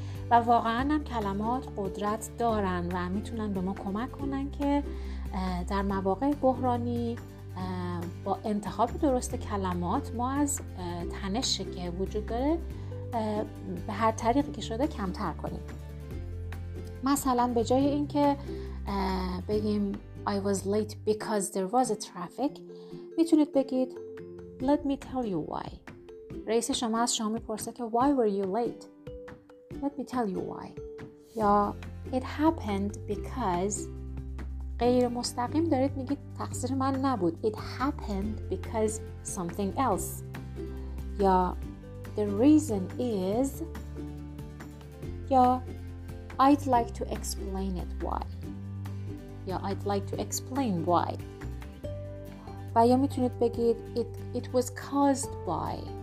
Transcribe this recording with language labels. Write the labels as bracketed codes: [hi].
[fa] و واقعا هم کلمات قدرت دارن و میتونن به ما کمک کنن که در مواقع بحرانی با انتخاب درست کلمات ما از تنشی که وجود داره به هر طریقی که شده کمتر کنیم. مثلا به جای این که بگیم [en] I was late because there was a traffic، [fa] میتونید بگید [en] Let me tell you why. [fa] رئیس شما از شما میپرسه که [en] Why were you late؟ Let me tell you why. [fa] یا [en] It happened because، [fa] غیر مستقیم دارید میگید تقصیر من نبود. [en] It happened because something else. [fa] یا [en] The reason is. [fa] یا [en] I'd like to explain it why. یا I'd like to explain why. [fa] و یا میتونید بگید [en] It was caused by.